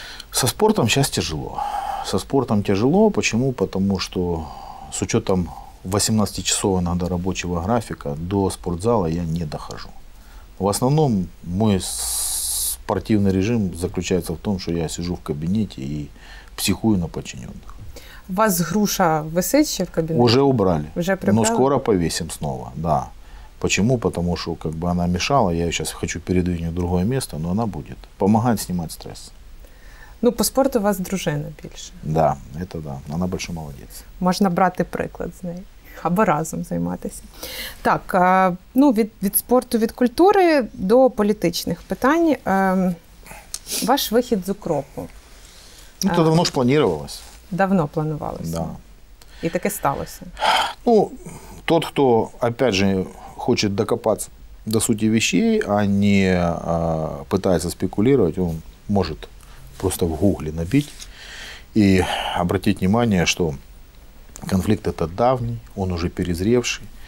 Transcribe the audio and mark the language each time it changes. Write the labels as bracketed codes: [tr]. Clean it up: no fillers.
[ru] Со спортом сейчас тяжело. Со спортом тяжело. Почему? Потому что с учетом 18-часового иногда рабочего графика до спортзала я не дохожу. В основном мой спортивный режим заключается в том, что я сижу в кабинете и психую на подчиненных. [uk] У вас груша висить ще в кабинете? [ru] Уже убрали. [uk] Уже прибрали? [ru] Но скоро повесим снова, да. Почему? Потому что как бы она мешала, я сейчас хочу передвинуть в другое место, но она будет. Помогает снимать стресс. Ну, по спорту у вас дружина больше. Да, это да. Она большой молодец. Можно брать приклад с ней. [uk] Або разом займатися. Так, ну, від спорту, від культури до політичних питань. Ваш вихід з укропу. Ну, це давно ж планувалося. Давно планувалося. Да. І таке сталося. [ru] Ну, тот, хто, опять же, [uk] хоче докопатися до суті [ru] вещей, а не пытается спекулировать, он может просто в гугле набить и обратить внимание, что конфликт этот давний, он уже перезревший.